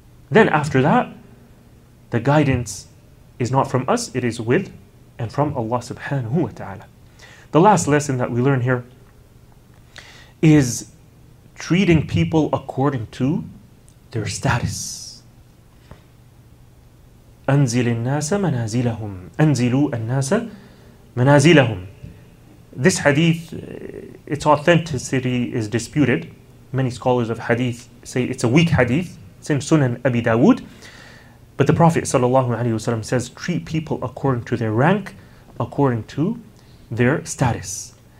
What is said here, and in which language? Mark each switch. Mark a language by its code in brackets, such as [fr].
[en] Then after that, the guidance is not from us, it is with and from Allah subhanahu wa ta'ala. The last lesson that we learn here is treating people according to their status. [ar] أنزل الناس منازلهم أنزلوا الناس منازلهم. [en] This hadith, its authenticity is disputed. Many scholars of hadith say it's a weak hadith. It's in Sunan Abi Dawood. But the Prophet ﷺ says, treat people according to their rank, according to their status.